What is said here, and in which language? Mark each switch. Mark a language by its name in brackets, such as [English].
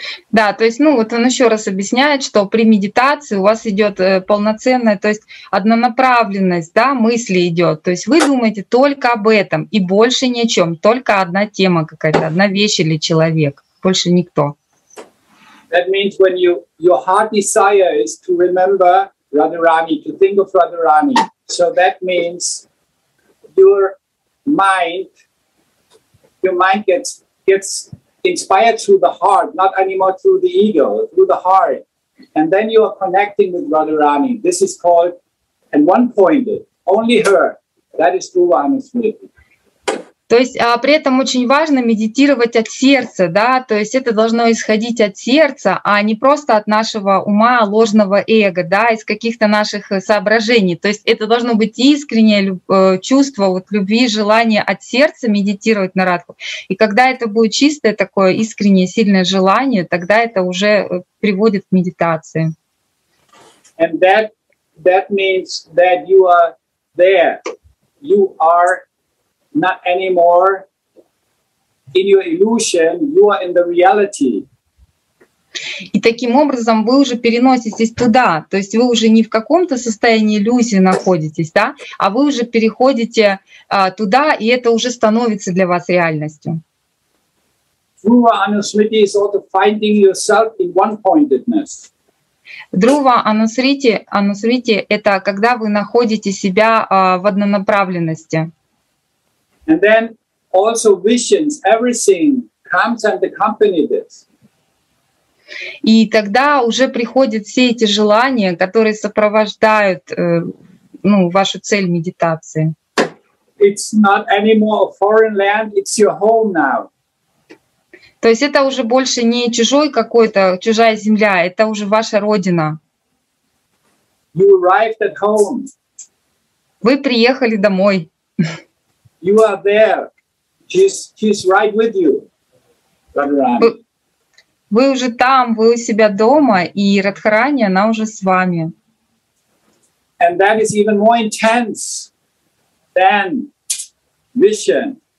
[Russian] Да, то есть, ну, вот он еще раз объясняет, что при медитации у вас идет полноценная, то есть однонаправленность, да, мысли идет. То есть вы думаете только об этом и больше ни о чем, только одна тема какая-то, одна вещь или человек, больше никто. [English] That means when you, your heart desire is to remember Radharani, to think of Radharani. So that means your mind gets inspired through the heart, not anymore through the ego, through the heart. And then you are connecting with Radharani. This is called, and one-pointed, only her. That is Dhruva Anusmriti. [Russian] То есть при этом очень важно медитировать от сердца, да, то есть это должно исходить от сердца, а не просто от нашего ума, ложного эго, да, из каких-то наших соображений. То есть это должно быть искреннее чувство вот, любви, желание от сердца медитировать на Радху. И когда это будет чистое такое искреннее, сильное желание, тогда это уже приводит к медитации. [English] And that means that you are there. You are not anymore in your illusion, you are in the reality. [Russian] И таким образом вы уже переноситесь туда, то есть вы уже не в каком-то состоянии иллюзии находитесь, да, а вы уже переходите туда, и это уже становится для вас реальностью. [English] Dhruva Anusmriti is also finding yourself in one-pointedness. [Russian] Друва Анусрити, Анусрити – это когда вы находите себя в однонаправленности. [English] And then also visions, everything comes and accompanies this. [Russian] И тогда уже приходят все эти желания, которые сопровождают вашу цель медитации. [English] It's not anymore a foreign land, it's your home now. [Russian] То есть это уже больше не чужой какой-то, чужая земля, это уже ваша родина. [English] You arrived at home. [Russian] Вы приехали домой. [English] You are there. She's right with you. [Russian] Вы уже там, вы у себя дома, и Радхарани, она уже с вами. [English] And that is even more intense than vision.